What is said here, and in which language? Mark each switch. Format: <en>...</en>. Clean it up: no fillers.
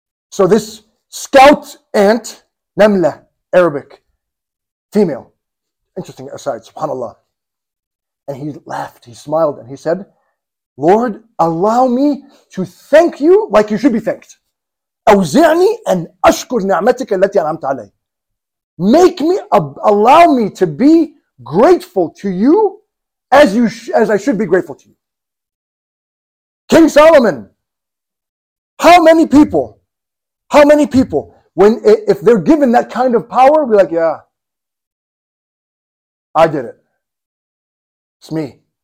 <en>So this scout ant, Namla, Arabic, female. Interesting aside, subhanAllah. And he laughed, he smiled, and he said, Lord, allow me to thank you like you should be thanked.</en> <ar>أوزعني أن أشكر نعمتك التي أنعمت علي.</ar> <en>Make me, allow me to be grateful to you as I should be grateful to you. King Solomon, how many people, if they're given that kind of power, be like, yeah, I did it. It's me.</en>